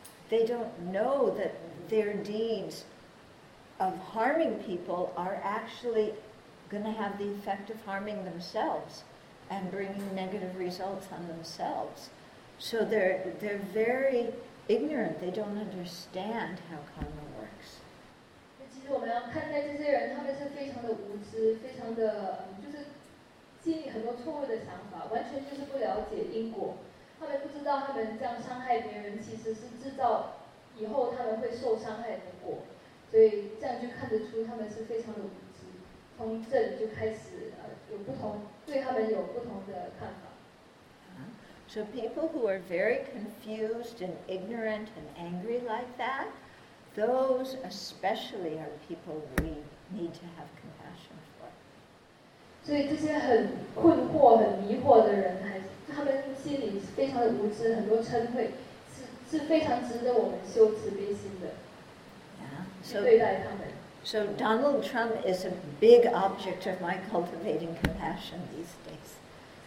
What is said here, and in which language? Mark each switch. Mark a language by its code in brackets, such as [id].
[en] They don't know that their deeds of harming people are actually going to have the effect of harming themselves and bringing negative results on themselves. So they're very ignorant, they don't understand how karma works. [zh] 我们要看待这些人，他们是非常的无知，非常的就是心里很多错误的想法，完全就是不了解因果。他们不知道他们这样伤害别人，其实是制造以后他们会受伤害的果。所以这样就看得出他们是非常的无知。从这里就开始有不同，对他们有不同的看法。 [en] So people who are very confused and ignorant and angry like that. Those especially are people we need to have compassion for. So these [zh] 很困惑、很迷惑的人，他们心里非常的无知，很多嗔恚，是非常值得我们修慈悲心的。 [en] So [zh] 对待他们。 [en] So Donald Trump is a big object of my cultivating compassion these days.